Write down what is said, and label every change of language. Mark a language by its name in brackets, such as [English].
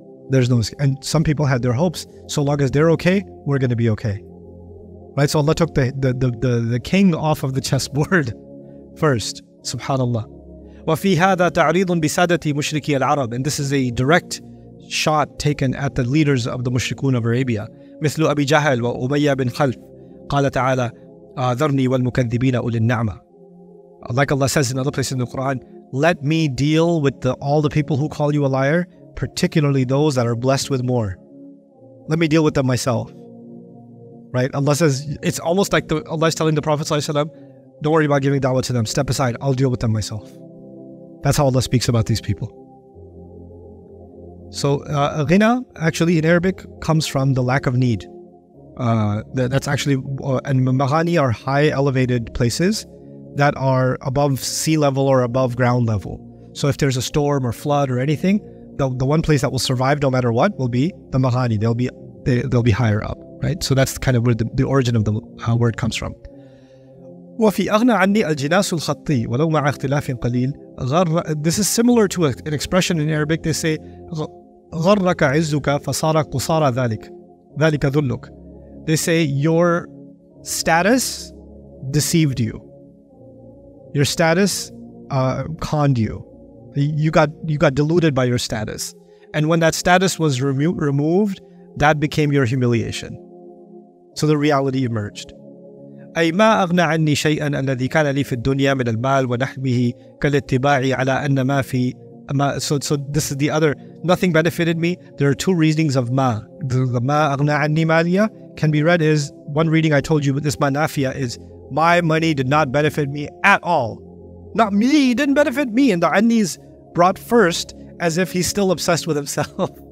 [English] There's no, and some people had their hopes. So long as they're okay, we're going to be okay. Right? So Allah took the king off of the chessboard first. [Arabic] Subhanallah. وَفِي هَذَا تَعْرِيضٌ بِسَادَةِ مُشْرِكِي الْعَرَبِ. [English] And this is a direct shot taken at the leaders of the mushrikun of Arabia. [Arabic] مثل أبي جهل وأمية بن خلف قال تعالى ذرني والمكذبين أولي النعمة. [English] Like Allah says in other places in the Quran, let me deal with all the people who call you a liar, particularly those that are blessed with more. Let me deal with them myself. Right? Allah says, it's almost like Allah is telling the Prophet ﷺ, don't worry about giving da'wah to them, step aside, I'll deal with them myself. That's how Allah speaks about these people. So ghina actually in Arabic comes from the lack of need. That's actually, and maghani are high elevated places that are above sea level or above ground level. So if there's a storm or flood or anything, the one place that will survive no matter what will be the maghani. They'll be higher up, right? So that's kind of where the origin of the word comes from. [Arabic] وَفِي أَغْنَى عَنِّي الْجِنَاسُ الْخَطِّي وَلَوْ مَعَ اخْتِلَافٍ قَلِيلٍ. [English] This is similar to an expression in Arabic. They say, [Arabic] غَرَّكَ عِزُّكَ فَصَارَ قُصَارَ ذَلِكَ ذُلُّكَ. [English] They say, your status deceived you. Your status conned you. You got deluded by your status. And when that status was removed, that became your humiliation. So the reality emerged. [Arabic] أي ما أغنى عني شيئا الذي كان لي في الدنيا من المال ونحبه كالاتباع على أن ما في ما. [English] So this is the other. Nothing benefited me. There are two reasonings of ما. The [Arabic] ما أغنى عني ماليا [English] can be read as one reading I told you, but this manafia is my money did not benefit me at all. Not me, it didn't benefit me. And the anni's brought first as if he's still obsessed with himself.